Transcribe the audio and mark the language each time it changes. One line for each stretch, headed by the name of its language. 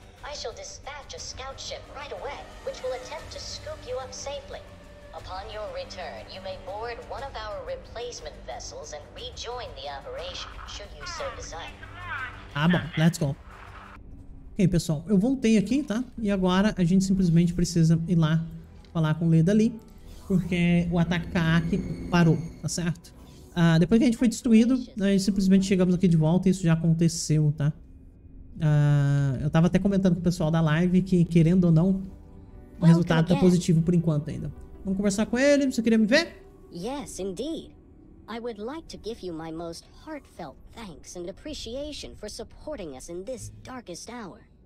English: I shall dispatch a scout ship right away, which will attempt to scoop you up safely. Upon your return, you may board one of our replacement vessels and rejoin the operation, should you so desire.
Portuguese: Ah, bom.
English: Let's go.
Portuguese: Ok, pessoal. Eu voltei aqui, tá? E agora a gente simplesmente precisa ir lá falar com o Leda ali, porque o ataque Kaak parou, tá certo? Depois que a gente foi destruído, nós simplesmente chegamos aqui de volta e isso já aconteceu, tá? Eu tava até comentando com o pessoal da live que, querendo ou não, o resultado tá positivo por enquanto ainda. Vamos conversar com ele, você queria me ver?
English: Yes, indeed. I would like to give you my most heartfelt thanks and appreciation for supporting us in this darkest hour.